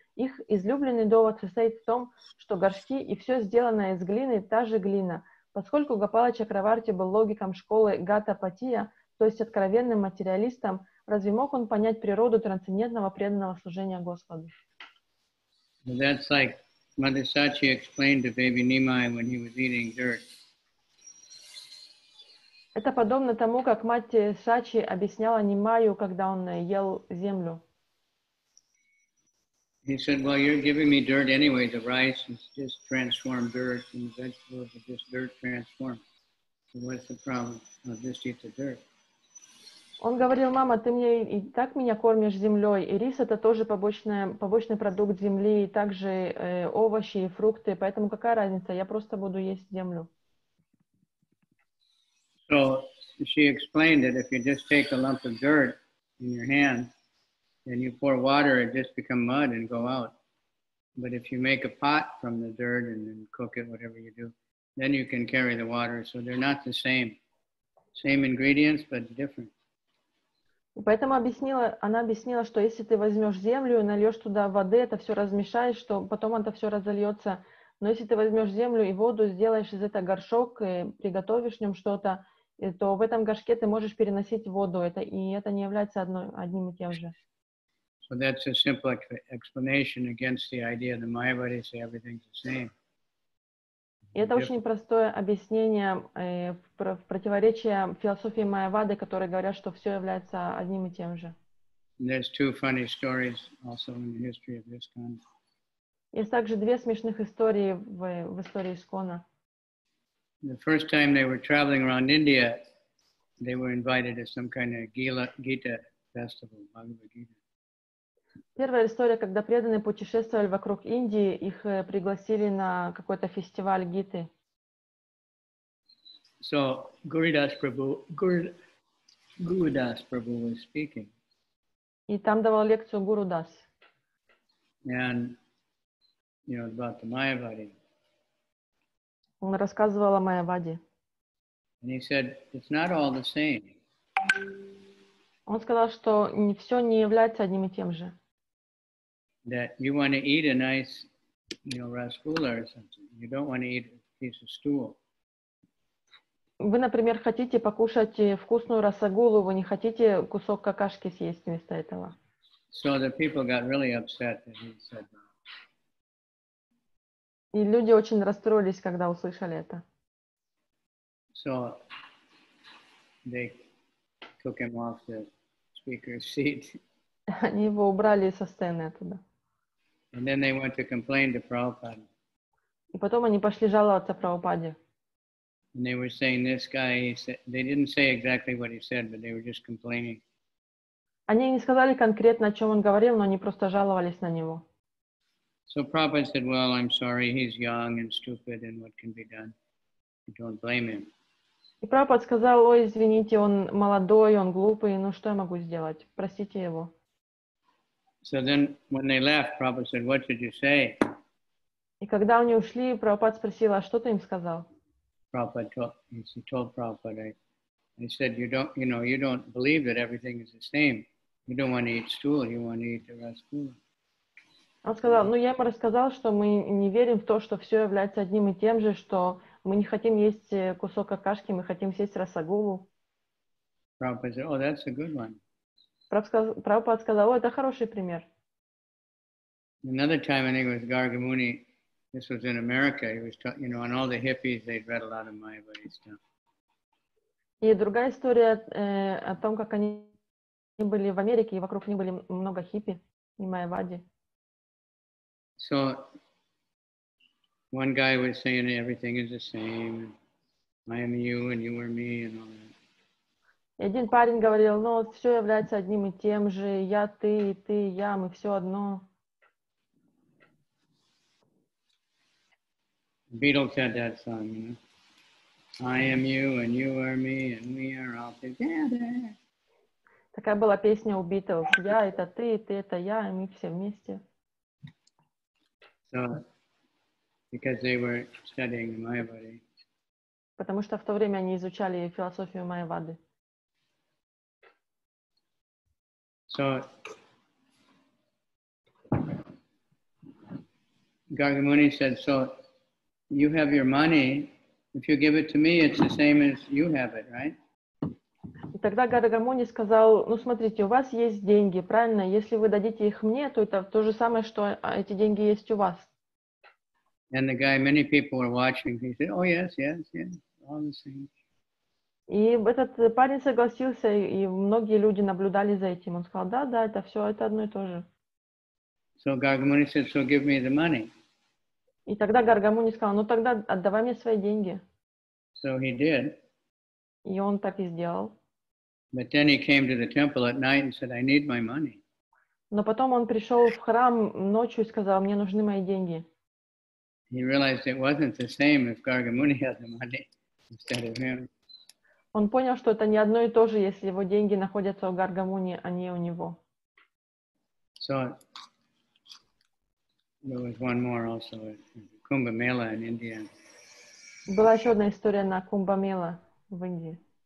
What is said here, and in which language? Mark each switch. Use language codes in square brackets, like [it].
[ru] Их излюбленный довод состоит в том, что горшки и все сделанное из глины – та же глина. Поскольку Гопала Чакраварти был логиком школы Гата-Патия, то есть откровенным материалистом, разве мог он понять природу трансцендентного преданного служения Господу? [en] That's like Mother Sachi explained to baby Nimai when he was eating dirt. [ru] Это подобно тому, как мать Сачи объясняла Нимаю, когда он ел землю. [en] He said, well, you're giving me dirt anyway. The rice is just transformed dirt and the vegetables are just dirt transformed. So what's the problem? I'll just eat the dirt. [ru] Он говорил, мама, ты мне и так меня кормишь землей. И рис — это тоже побочный продукт земли, и также овощи и фрукты. Поэтому какая разница? Я просто буду есть землю. [en] So she explained that if you just take a lump of dirt in your hand, and you pour water, it just becomes mud and go out. But if you make a pot from the dirt and then cook it, whatever you do, then you can carry the water. So they're not the same. Same ingredients, but different. [ru] Поэтому она объяснила, что если ты возьмешь землю, нальешь туда воды, это все размешаешь, что потом это все разольется. Но если ты возьмешь землю и воду, сделаешь из этого горшок и приготовишь в нем что-то, то в этом горшке ты можешь переносить воду. И это не является одним и тем же. [en] So that's a simple explanation against the idea that the Mayavadis say everything's the same. [ru] Это очень простое объяснение в противоречие философии Майявады, которые говорят, что все является одним и тем же. [en] There's two funny stories also in the history of ISKCON. [ru] Есть также две смешных истории в истории ИСККОНа. [en] The first time they were traveling around India, they were invited to some kind of Gita festival, Bhagavad Gita. [ru] Первая история, когда преданные путешествовали вокруг Индии, их пригласили на какой-то фестиваль Гиты. [en] So Guru Das Prabhu was speaking. [ru] И там давал лекцию Гуру Дас. [en] And you know about the Mayavadi. [ru] Он рассказывал о Майаваде. [en] And he said it's not all the same. [ru] Он сказал, что все не является одним и тем же. [en] That you want to eat a nice, you know, rasgulla or something. You don't want to eat a piece of stool. [ru] Вы, например, хотите покушать вкусную рассагулу, вы не хотите кусок какашки съесть вместо этого. [en] So the people got really upset that he said that. [ru] И люди очень расстроились, когда услышали это. [en] So they took him off the speaker's seat. [ru] Они его убрали со сцены оттуда. [en] And then they went to complain to Prabhupada. [ru] И потом они пошли жаловаться Прабхупаде. [en] And they were saying this guy, they didn't say exactly what he said, but they were just complaining. [ru] Они не сказали конкретно, о чем он говорил, но они просто жаловались на него. [en] So Prabhupada said, well, I'm sorry, he's young and stupid, and what can be done? Don't blame him. [ru] И Прабхупада сказал, ой, извините, он молодой, он глупый, ну что я могу сделать? Простите его. [en] So then when they left, Prabhupada said, what should you say? [ru] И когда они ушли, Прабхупада спросил, а что ты им сказал? [en] He told Prabhupada, I said, you don't believe that everything is the same. You don't want to eat stool, you want to eat the rasgulla. [ru] Он сказал, ну я ему рассказал, что мы не верим в то, что все является одним и тем же, что мы не хотим есть кусок какашки, мы хотим съесть рассагулу. [en] Prabhupada said, oh, that's a good one. [ru] Прабхупада сказал, о, это хороший пример. [en] Another time, I think it was Gargamuni. This was in America. He was, you know, and all the hippies, they'd read a lot of Mayavadi stuff. [ru] И другая история о том, как они были в Америке, и вокруг них были много хиппи и майявади. [en] So one guy was saying everything is the same. I am you, and you are me, and all that. [ru] И один парень говорил, ну, все является одним и тем же. Я, ты, и ты, я, мы все одно. [en] Beatles had that song, you know. I am you, and you are me, and we are all together. [ru] Такая была песня у Beatles. Я — это ты, и ты — это я, и мы все вместе. [en] So, because they were studying Mayavadi. [ru] Потому что в то время они изучали философию Майявады. [en] So, Gargamuni said, so, you have your money. If you give it to me, it's the same as you have it, right? [ru] И тогда Гаргамуни сказал, ну смотрите, у вас есть деньги, правильно? Если вы дадите их мне, то это то же самое, что эти деньги есть у вас. [en] And the guy, many people were watching. He said, oh, yes, all the same. [ru] И этот парень согласился, и многие люди наблюдали за этим. Он сказал, да, это все, это одно и то же. [en] So Gargamuni said, so give me the money. [ru] И тогда Гаргамуни сказал, ну тогда отдавай мне свои деньги. [en] So he did. [ru] И он так и сделал. [en] But then he came to the temple at night and said, I need my money. [ru] Но потом он пришел в храм ночью и сказал, мне нужны мои деньги. [en] He realized it wasn't the same if Gargamuni had the money instead of him. [ru] Он понял, что это не одно и то же, если его деньги находятся у Гаргамуни, а не у него. [en] So, there was one more also at Kumbh Mela in India. [ru] Была еще одна история на Кумбх Мела в Индии.